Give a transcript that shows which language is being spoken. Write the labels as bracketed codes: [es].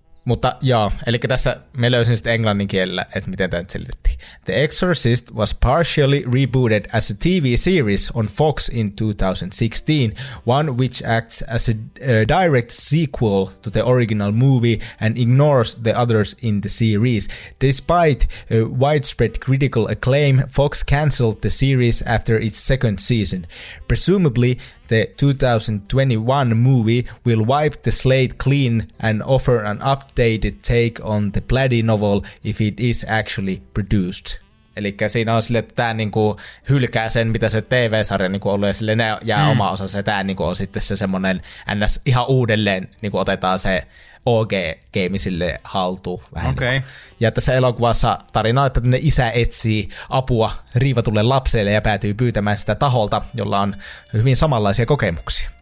[fi] Mutta joo, eli tässä me löysin sitten englannin kielellä, että miten tämä nyt selitettiin. [en] The Exorcist was partially rebooted as a TV series on Fox in 2016, one which acts as a direct sequel to the original movie and ignores the others in the series. Despite widespread critical acclaim, Fox cancelled the series after its second season. Presumably, the 2021 movie will wipe the slate clean and offer an updated take on the bloody novel if it is actually produced. [fi] Eli siinä on sille, että tämä niinku hylkää sen, mitä se TV-sarja niinku on ollut, ja sille ne jää oma osansa, ja tämä niinku on sitten se semmoinen ns. Ihan uudelleen, niinku otetaan se OG-geimi sille haltuun. Vähän okay. Niinku. Ja tässä elokuvassa tarina, että ne isä etsii apua riivatulle lapselle ja päätyy pyytämään sitä taholta, jolla on hyvin samanlaisia kokemuksia.